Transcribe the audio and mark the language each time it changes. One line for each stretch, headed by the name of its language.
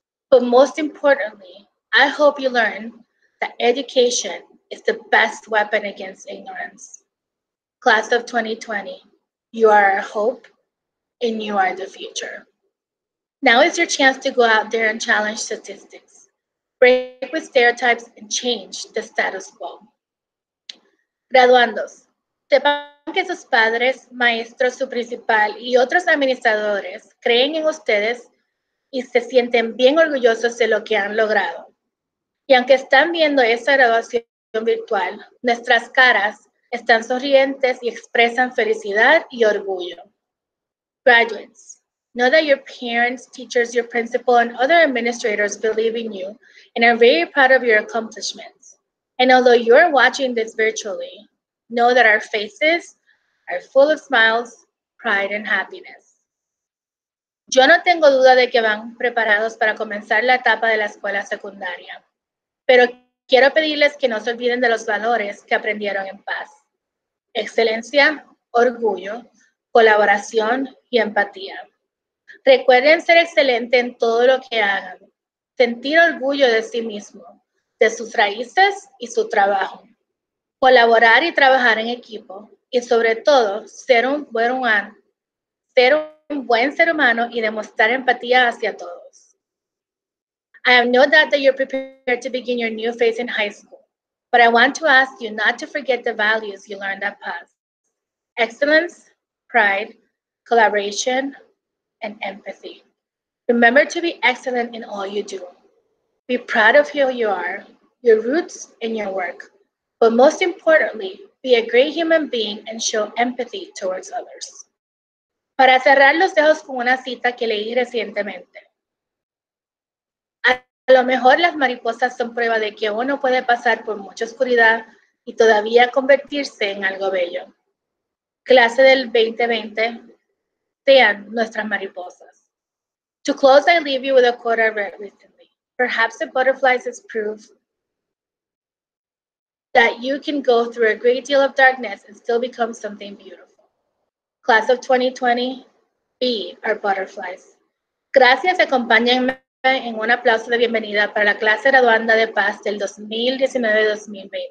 English: But most importantly, I hope you learn that education is the best weapon against ignorance. Class of 2020, you are our hope and you are the future. Now is your chance to go out there and challenge statistics, break with stereotypes and change the status quo.
Spanish: Graduandos, sepan que sus padres, maestros, su principal y otros administradores creen en ustedes y se sienten bien orgullosos de lo que han logrado. Y aunque están viendo esta graduación virtual, nuestras caras están sonrientes y expresan felicidad y orgullo.
English: Graduates, know that your parents, teachers, your principal, and other administrators believe in you and are very proud of your accomplishments. And although you're watching this virtually, know that our faces are full of smiles, pride, and happiness.
Spanish: Yo no tengo duda de que van preparados para comenzar la etapa de la escuela secundaria, pero quiero pedirles que no se olviden de los valores que aprendieron en paz. Excelencia, orgullo, colaboración y empatía. Recuerden ser excelente en todo lo que hagan, sentir orgullo de sí mismo, de sus raíces y su trabajo, colaborar y trabajar en equipo y sobre todo ser un buen ser humano y demostrar empatía hacia todos.
English: I have no doubt that you're prepared to begin your new phase in high school, but I want to ask you not to forget the values you learned at PAS. Excellence, pride, collaboration, and empathy. Remember to be excellent in all you do. Be proud of who you are, your roots, and your work. But most importantly, be a great human being and show empathy towards others.
Spanish: Para cerrar, los dejo con una cita que leí recientemente. A lo mejor las mariposas son prueba de que uno puede pasar por mucha oscuridad y todavía convertirse en algo bello. Clase del 2020, sean nuestras mariposas.
English: To close, I leave you with a quote I read recently. Perhaps the butterflies is proof that you can go through a great deal of darkness and still become something beautiful. Class of 2020, be our butterflies.
Spanish: Gracias, acompáñenme en un aplauso de bienvenida para la clase graduanda de paz del 2019-2020.